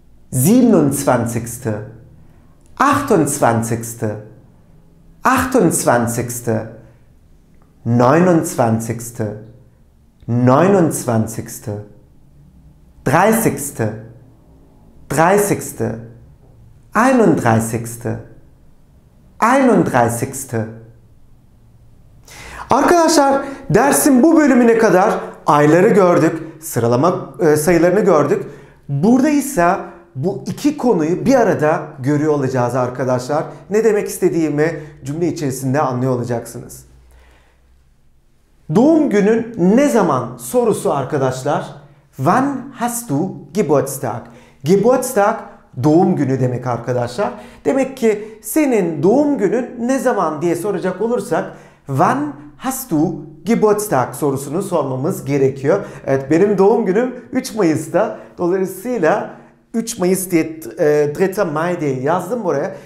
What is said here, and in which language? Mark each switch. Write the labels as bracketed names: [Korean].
[German] siebenundzwanzigste, achtundzwanzigste, achtundzwanzigste, neunundzwanzigste, neunundzwanzigste, dreißigste, dreißigste, einunddreißigste, einunddreißigste. [Turkish] Arkadaşlar, dersin bu bölümüne kadar ayları gördük, sıralama sayılarını gördük. Burada ise bu iki konuyu bir arada görüyor olacağız arkadaşlar. Ne demek istediğimi cümle içerisinde anlıyor olacaksınız. Doğum günün ne zaman sorusu arkadaşlar. [German] Wann hast du Geburtstag? [Turkish] Geburtstag doğum günü demek arkadaşlar. Demek ki senin doğum günün ne zaman diye soracak olursak [German] Wann hast du Geburtstag [Turkish] sorusunu sormamız gerekiyor. Evet, benim doğum günüm 3 Mayıs'ta. Dolayısıyla 3 Mayıs diye [German] Dritte Mai [Turkish] diye yazdım buraya.